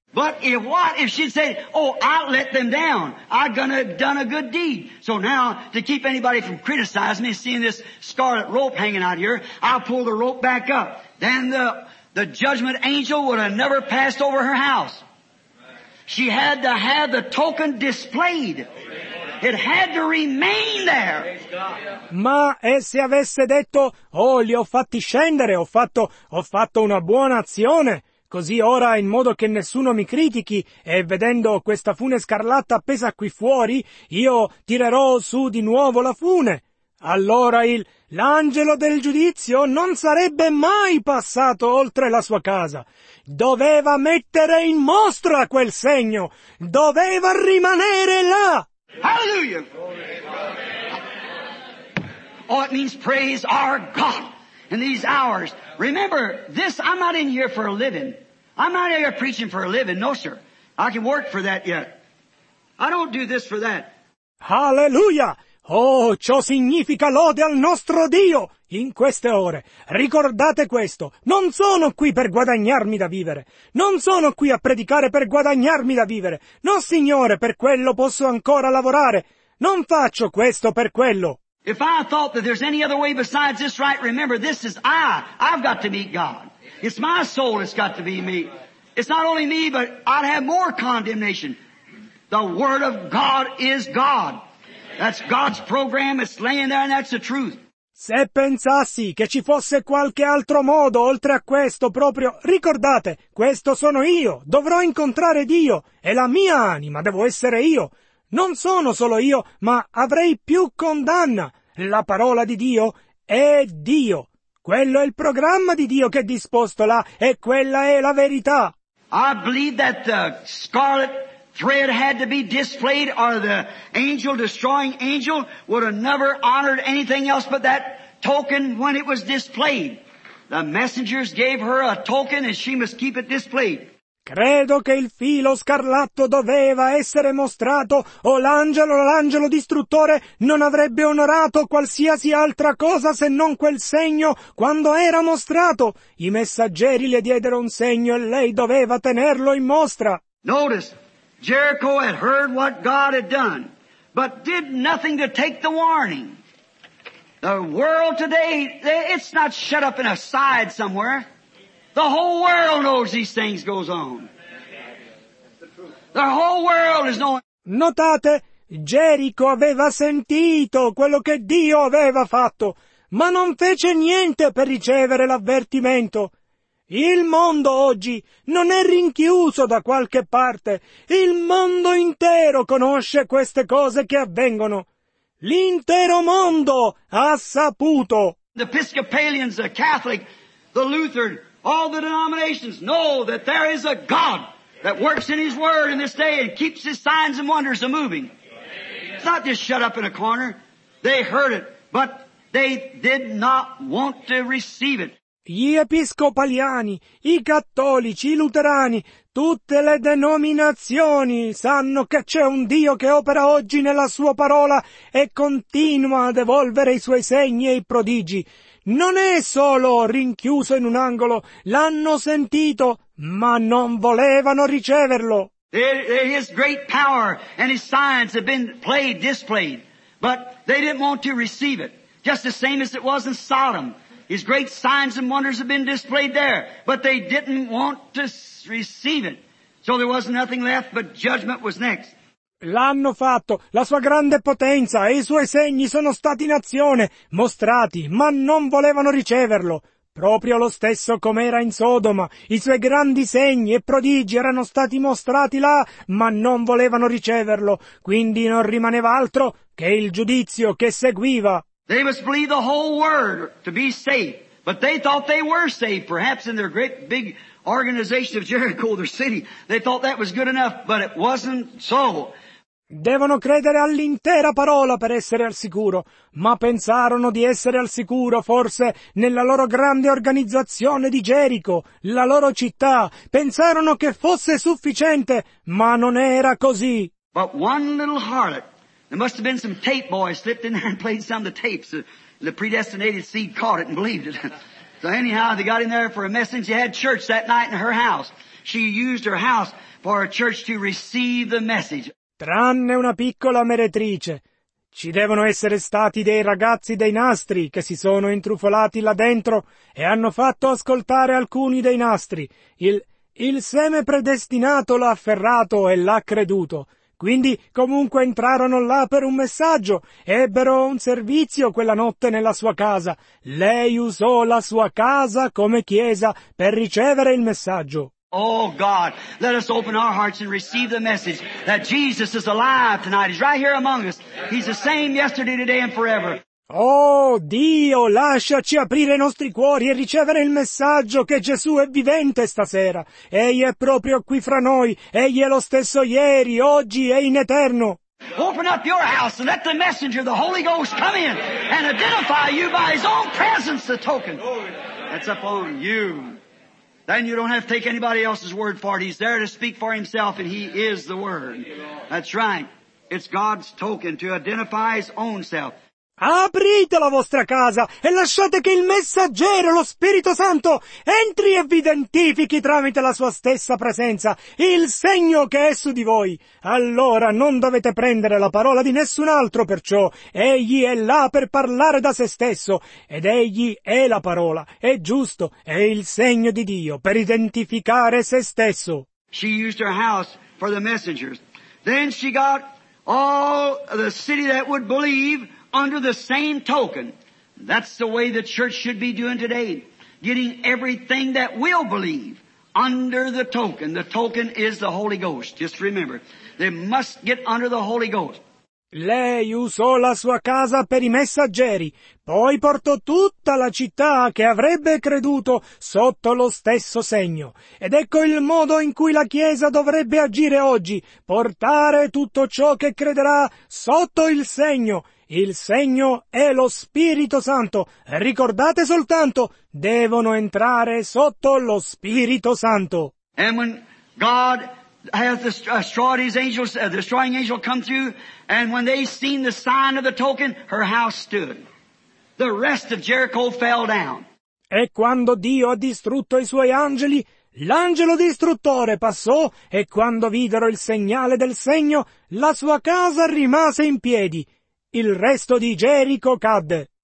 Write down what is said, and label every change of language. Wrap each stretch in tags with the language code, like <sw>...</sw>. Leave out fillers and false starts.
<en>But if what if she said, oh, I let them down. I've done a good deed. So now, to keep anybody from criticizing me, seeing this scarlet rope hanging out here, I'll pull the rope back up. Then the judgment angel would have never passed over her house. She had to have the token displayed. It had to remain there.</en> <it>Ma se avesse detto, oh, li ho fatti scendere, ho fatto una buona azione. Così ora, in modo che nessuno mi critichi, e vedendo questa fune scarlatta appesa qui fuori, io tirerò su di nuovo la fune. Allora l'angelo del giudizio non sarebbe mai passato oltre la sua casa. Doveva mettere in mostra quel segno. Doveva rimanere là.</it> <en>Hallelujah! Oh, it means praise our God in these hours. Remember, this, I'm not in here for a living. I'm not here preaching for a living, no sir. I can work for that yet. I don't do this for that. Hallelujah!</en> <it>Oh, ciò significa lode al nostro Dio in queste ore. Ricordate questo. Non sono qui per guadagnarmi da vivere. Non sono qui a predicare per guadagnarmi da vivere. No, Signore, per quello posso ancora lavorare. Non faccio questo per quello.</it> <en>If I thought that there's any other way besides this right, remember, this is I've got to meet God. It's my soul that's got to be me. It's not only me, but I'd have more condemnation. The Word of God is God. That's God's program. It's laying there, and that's the truth.</en> <it>Se pensassi che ci fosse qualche altro modo oltre a questo proprio, ricordate, questo sono io. Dovrò incontrare Dio. È la mia anima. Devo essere io. Non sono solo io, ma avrei più condanna. La parola di Dio è Dio. Quello è il programma di Dio che è disposto là, e quella è la verità.</it> <en>I believe that the scarlet thread had to be displayed, or the angel, destroying angel, would have never honored anything else but that token when it was displayed. The messengers gave her a token, and she must keep it displayed.</en> <it>Credo che il filo scarlatto doveva essere mostrato, o l'angelo distruttore non avrebbe onorato qualsiasi altra cosa se non quel segno quando era mostrato. I messaggeri le diedero un segno e lei doveva tenerlo in mostra.</it> <en>Notice, Jericho had heard what God had done, but did nothing to take the warning. The world today, it's not shut up in a side somewhere. The whole world knows these things goes on. The whole world is knowing.</en> <it>Notate, Gerico aveva sentito quello che Dio aveva fatto, ma non fece niente per ricevere l'avvertimento. Il mondo oggi non è rinchiuso da qualche parte. Il mondo intero conosce queste cose che avvengono. L'intero mondo ha saputo.</it> <en>The Episcopalians, the Catholic, the Lutheran, all the denominations know that there is a God that works in His Word in this day and keeps His signs and wonders a-moving. It's not just shut up in a corner. They heard it, but they did not want to receive it.</en> <it>Gli episcopaliani, i cattolici, i luterani, tutte le denominazioni sanno che c'è un Dio che opera oggi nella Sua parola e continua ad evolvere i Suoi segni e i prodigi. Non è solo rinchiuso in un angolo, l'hanno sentito, ma non volevano riceverlo.</it> <en>His great power and his signs have been played, displayed, but they didn't want to receive it. Just the same as it was in Sodom. His great signs and wonders have been displayed there, but they didn't want to receive it. So there was nothing left, but judgment was next.</en> <it>L'hanno fatto, la sua grande potenza e i suoi segni sono stati in azione, mostrati, ma non volevano riceverlo. Proprio lo stesso come era in Sodoma, i suoi grandi segni e prodigi erano stati mostrati là, ma non volevano riceverlo. Quindi non rimaneva altro che il giudizio che seguiva.</it> <en>They must believe the whole word to be saved, but they thought they were saved, perhaps in their great big organization of Jericho, their city. They thought that was good enough, but it wasn't so.</en> <it>Devono credere all'intera parola per essere al sicuro, ma pensarono di essere al sicuro forse nella loro grande organizzazione di Gerico, la loro città. Pensarono che fosse sufficiente, ma non era così.</it> <en>But one little harlot, there must have been some tape boy slipped in there and played some of the tapes. The predestinated seed caught it and believed it. So anyhow, they got in there for a message. They had church that night in her house. She used her house for a church to receive the message.</en> <it>Tranne una piccola meretrice. Ci devono essere stati dei ragazzi dei nastri che si sono intrufolati là dentro e hanno fatto ascoltare alcuni dei nastri. Il seme predestinato l'ha afferrato e l'ha creduto. Quindi comunque entrarono là per un messaggio. Ebbero un servizio quella notte nella sua casa. Lei usò la sua casa come chiesa per ricevere il messaggio.</it> <en>Oh God, let us open our hearts and receive the message that Jesus is alive tonight. He's right here among us. He's the same yesterday, today and forever.</en> <it>Oh Dio, lasciaci aprire i nostri cuori e ricevere il messaggio che Gesù è vivente stasera. Egli è proprio qui fra noi. Egli è lo stesso ieri, oggi e in eterno.</it> <en>Open up your house and let the messenger, the Holy Ghost, come in and identify you by his own presence, the token that's upon you. Then you don't have to take anybody else's word for it. He's there to speak for himself, and he is the word. That's right. It's God's token to identify his own self.</en> <it>Aprite la vostra casa e lasciate che il messaggero, lo Spirito Santo, entri e vi identifichi tramite la sua stessa presenza, il segno che è su di voi. Allora non dovete prendere la parola di nessun altro, perciò egli è là per parlare da se stesso, ed egli è la parola, è giusto, è il segno di Dio per identificare se stesso.</it> <en>She used her house for the messengers. Then she got all the city that would believe under the same token. That's the way the church should be doing today, getting everything that will believe under the token. The token is the Holy Ghost. Just remember, they must get under the Holy Ghost.</en> <it>Lei usò la sua casa per i messaggeri, poi portò tutta la città che avrebbe creduto sotto lo stesso segno. Ed ecco il modo in cui la Chiesa dovrebbe agire oggi, portare tutto ciò che crederà sotto il segno. Il segno è lo Spirito Santo. Ricordate soltanto, devono entrare sotto lo Spirito Santo.</it> <en>And when God has destroyed his angels, the destroying angel come through, and when they seen the sign of the token, her house stood. The rest of Jericho fell down.</en> <it>E quando Dio ha distrutto i suoi angeli, l'angelo distruttore passò, e quando videro il segnale del segno, la sua casa rimase in piedi. Il resto di Gerico cadde.</it>